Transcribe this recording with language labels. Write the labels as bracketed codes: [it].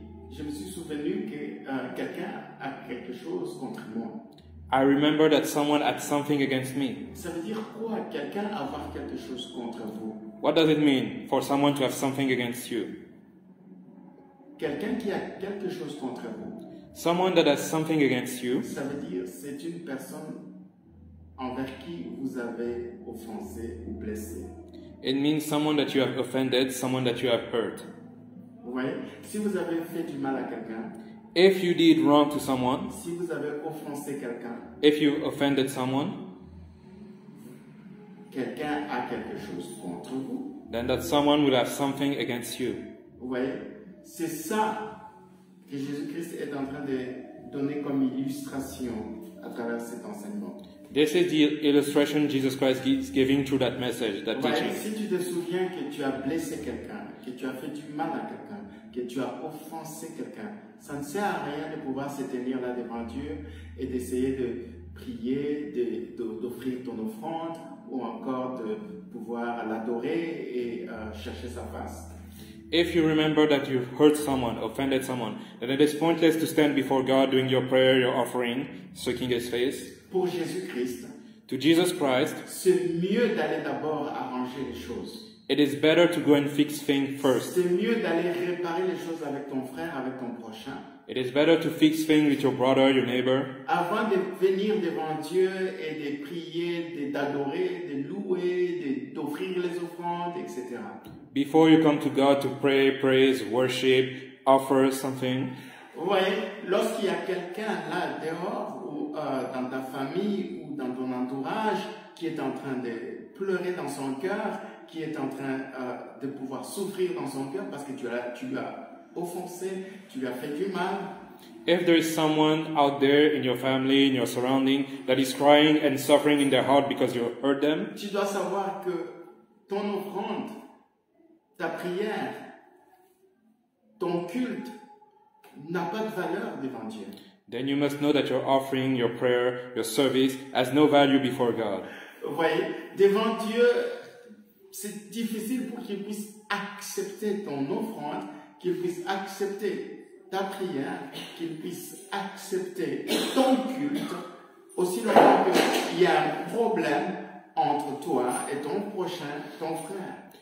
[fr] Je me suis souvenu que quelqu'un a quelque chose contre moi. [en] I remember that someone had something against me. [fr] Ça veut dire quoi, quelqu'un avoir quelque chose contre vous? [en] What does it mean for someone to have something against you? [fr] Quelqu'un qui a quelque chose contre vous. [en] Someone that has something against you. [fr] Ça veut dire c'est une personne envers qui vous avez offensé ou blessé. [en] It means someone that you have offended, someone that you have hurt. Ouais. [fr] Si vous avez fait du mal à quelqu'un. [en] If you did wrong to someone. [fr] Si vous avez offensé quelqu'un. [en] If you offended someone. [fr] Quelqu'un a quelque chose contre vous. [en] Then that someone will have something against you. Ouais. [fr] C'est ça que Jésus-Christ est en train de donner comme illustration à travers cet enseignement. [en] This is the illustration Jesus Christ is giving through that message, that teaching. [fr] Si tu te souviens que tu as blessé quelqu'un, que tu as fait du mal à quelqu'un, que tu as offensé quelqu'un, ça ne sert à rien de pouvoir se tenir là devant Dieu et d'essayer de prier, d'offrir ton offrande ou encore de pouvoir l'adorer et chercher sa face. [en] If you remember that you've hurt someone, offended someone, then it is pointless to stand before God doing your prayer, your offering, seeking His face. [fr] Pour Jésus Christ, [en] to Jesus Christ, [fr] c'est mieux d'aller d'abord arranger les choses. [en] It is better to go and fix things first. [fr] C'est mieux d'aller réparer les choses avec ton frère, avec ton prochain. [en] It is better to fix things with your brother, your neighbor. [fr] Avant de venir devant Dieu et de prier, d'adorer, de louer, d'offrir les offrandes, etc. [en] Before you come to God to pray, praise, worship, offer something. [fr] Vous voyez, lorsqu'il y a quelqu'un là dehors ou dans ta famille ou dans ton entourage qui est en train de pleurer dans son cœur, qui est en train de pouvoir souffrir dans son cœur parce que tu l'as offensé, tu lui as fait du mal. [en] If there is someone out there in your family, in your surrounding, that is crying and suffering in their heart because you hurt them, [fr] tu dois savoir que ton offrande, ta prière, ton culte n'a pas de valeur devant Dieu. [en] Then you must know that your offering, your prayer, your service has no value before God. [fr] Voyez, devant Dieu, c'est difficile pour qu'il puisse accepter ton offrande, qu'il puisse accepter ta prière, qu'il puisse accepter ton culte, aussi longtemps qu'il y a un problème entre toi et ton prochain, ton frère.